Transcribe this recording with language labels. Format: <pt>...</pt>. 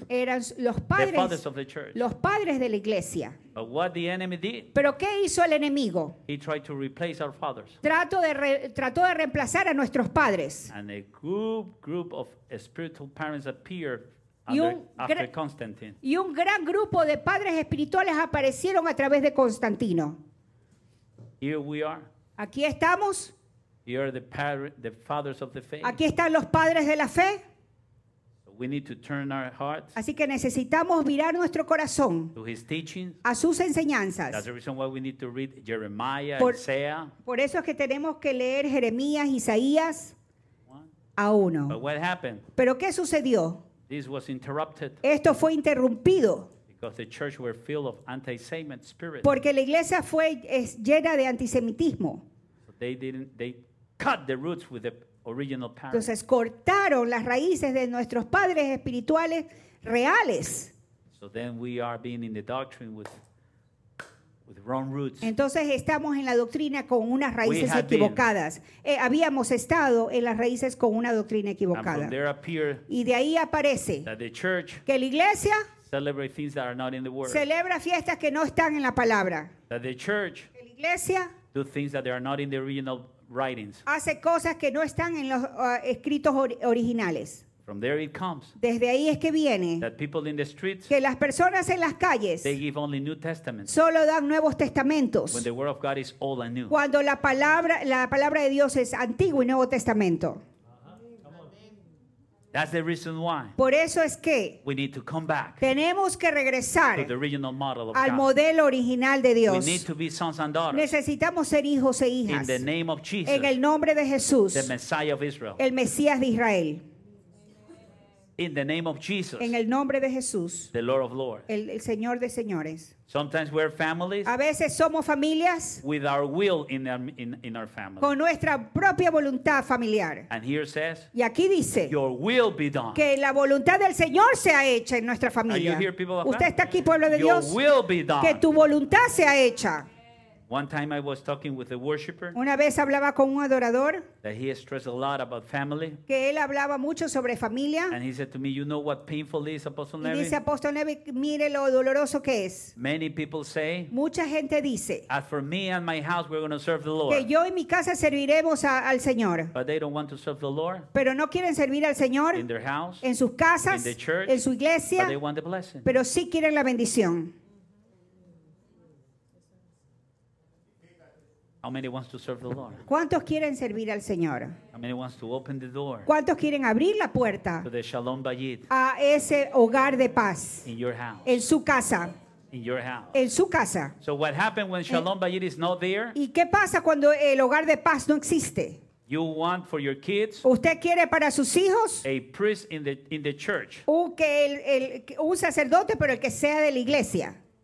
<es>eran los padres,</es> <en>the fathers of the church.</en> <es>Los padres de la iglesia.</es> <en>But what the enemy did?</en> <es>¿Pero qué hizo el enemigo?</es> <en>He tried to replace our fathers.</en> <es>Trató de reemplazar a nuestros padres.</es> <en>And a group of spiritual parents appeared after Constantine.</en> <es>Y un gran grupo de padres espirituales aparecieron a través de Constantino.</es> <en>Here we are.</en> <es>Aquí estamos.</es> <en>Here are the fathers of the faith.</en> <es>Aquí están los padres de la fe.</es> <en>We need to turn our hearts.</en> <es>Así que necesitamos virar nuestro corazón</es> <en>to his teachings.</en> <es>A sus enseñanzas.</es> <en>That's the reason why we need to read Jeremiah, Isaiah.</en> <es>Por eso es que tenemos que leer Jeremías, Isaías a uno.</es> <en>But what happened?</en> <es>¿Pero qué sucedió?</es> <en>This was interrupted.</en> <es>Esto fue interrumpido.</es> <en>Because the church were filled of anti-Semitic spirit.</en> <es>Porque la iglesia fue llena de antisemitismo.</es> <en>They cut the roots with the original parents.</en> <es>Entonces cortaron las raíces de nuestros padres espirituales reales.</es> <en>So then we are being in the doctrine with wrong roots.</en> <es>Entonces estamos en la doctrina con unas raíces equivocadas. Habíamos estado en las raíces con una doctrina equivocada.</es> <en>And from there appear,</en> <es>y de ahí aparece</es> <en>that the church,</en> <es>que la iglesia</es> <en>celebrate things that are not in the word.</en> <es>Celebra fiestas que no están en la palabra.</es> <en>That the church,</en> <es>que la iglesia</es> <en>do things that are not in the original writings.</en> <es>Hace cosas que no están en los escritos originales.</es> <en>From there it comes.</en> <es>Desde ahí es que viene.</es> <en>That people in the streets,</en> <es>que las personas en las calles,</es> <en>they give only New Testaments.</en> <es>Solo dan nuevos testamentos.</es> <en>When the word of God is old and new.</en> <es>Cuando la palabra de Dios es antiguo y nuevo testamento.</es> <en>That's the reason why.</en> <es>Por eso es que</es> <en>we need to come back.</en> <es>Tenemos que regresar</es> <en>to the original model of</en> <es>al</es> <en>God.</en> <es>Modelo original de Dios.</es> <en>We need to be sons and daughters.</en> <es>Necesitamos ser hijos e hijas.</es> <en>In the name of Jesus.</en> <es>En el nombre de Jesús.</es> <en>The Messiah of Israel.</en> <es>El Mesías de Israel.</es> <en>In the name of Jesus.</en> <es>En el nombre de Jesús.</es> <en>The Lord of Lords.</en> <es>El Señor de Señores.</es> <en>Sometimes we're families.</en> <es>A veces somos familias.</es> <en>With our will in our family.</en> <es>Con nuestra propia voluntad familiar.</es> <en>And here says.</en> <es>Y aquí dice.</es> <en>Your will be done.</en> <es>Que la voluntad del Señor sea hecha en nuestra familia.</es> <en>Are you here, people of</en> <es>God? ¿Usted está aquí, pueblo de</es> <en>your</en> <es>Dios?</es> <en>Your will be done.</en> <es>Que tu voluntad sea hecha.</es> <en>One time I was talking with a worshiper.</en> <es>Una vez hablaba con un adorador.</es> <en>That he stressed a lot about family.</en> <es>Que él hablaba mucho sobre familia.</es> <en>And he said to me, "You know what painful is, Apostle Nevin?"</en> <es>Y dice, Apóstol Nevin, mire lo doloroso que es.</es> <en>Many people say.</en> <es>Mucha gente dice.</es> <en>As for me and my house, we're going to serve the Lord.</en> <es>Que yo y mi casa serviremos al Señor.</es> <en>But they don't want to serve the Lord.</en> <es>Pero no quieren servir al Señor.</es> <en>In their house.</en> <es>En sus casas.</es> <en>In the church.</en> <es>En su iglesia.</es> <en>But they want the blessing.</en> <es>Pero sí quieren la bendición.</es> <en>How many wants to serve the Lord?</en> <es>¿Cuántos quieren servir al Señor?</es> <en>How many wants to open the door?</en> <es>¿Cuántos quieren abrir la puerta?</es> <en>To the Shalom Bayit.</en> <es>A ese hogar de paz.</es> <en>In your house.</en> <es>En su casa.</es> <en>In your house.</en> <es>En su casa.</es> <en>So what happened when Shalom Bayit is not there?</en> <es>¿Y qué pasa cuando el hogar de paz no existe?</es> <en>You want for your kids?</en> <es>¿Usted quiere para sus hijos?</es> <en>A priest in the church.</en> <es>O que un sacerdote, pero el que sea de la iglesia.</es>